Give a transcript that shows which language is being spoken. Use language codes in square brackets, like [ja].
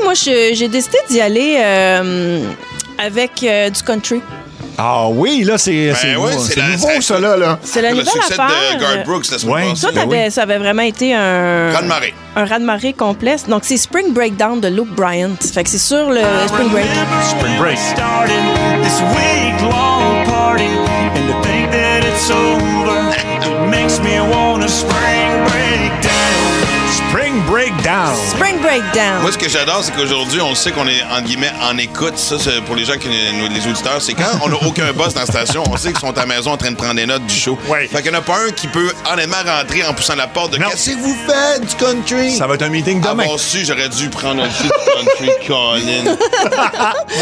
[fr] Moi, j'ai décidé d'y aller avec du country. Ah oui, là, c'est nouveau, ça, là. C'est la nouvelle affaire. Le succès de Garth Brooks, la semaine passée. Ça avait vraiment été un... Un raz-de-marée complet. Donc, c'est Spring Breakdown de Luke Bryant. Fait que c'est sur le Spring Break. Spring Break. [en] Starting this week-long party And to think that it's over Makes me want a Spring Breakdown Spring Breakdown. [fr] Spring Breakdown. Moi, ce que j'adore, c'est qu'aujourd'hui, on sait qu'on est, entre guillemets, en écoute. Ça, c'est pour les gens, les auditeurs, c'est quand on n'a aucun boss dans la station, on sait qu'ils sont à la maison en train de prendre des notes du show. Ouais. Fait qu'il n'y en a pas un qui peut honnêtement rentrer en poussant la porte de « Qu'est-ce que vous faites du country? » Ça va être un meeting demain. Avant su, j'aurais dû prendre un jeu de country, Colin.